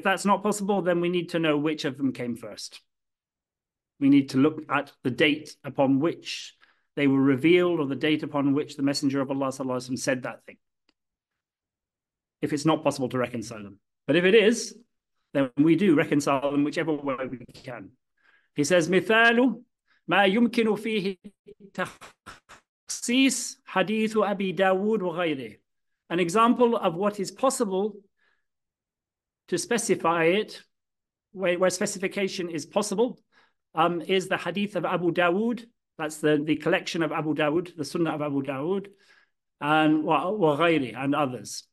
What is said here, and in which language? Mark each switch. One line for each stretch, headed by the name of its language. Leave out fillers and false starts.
English: If that's not possible, then we need to know which of them came first. We need to look at the date upon which they were revealed or the date upon which the Messenger of Allah sallallahu alaihi wasallam said that thing, if it's not possible to reconcile them. But if it is, then we do reconcile them whichever way we can. He says,
Arabic: مثال ما يمكن فيه تخصيص حديث أبي داود وغيره.
English: An example of what is possible to specify it, where specification is possible, is the hadith of Abu Dawood. That's the collection of Abu Dawood, the sunnah of Abu Dawood, and وغيره, and others.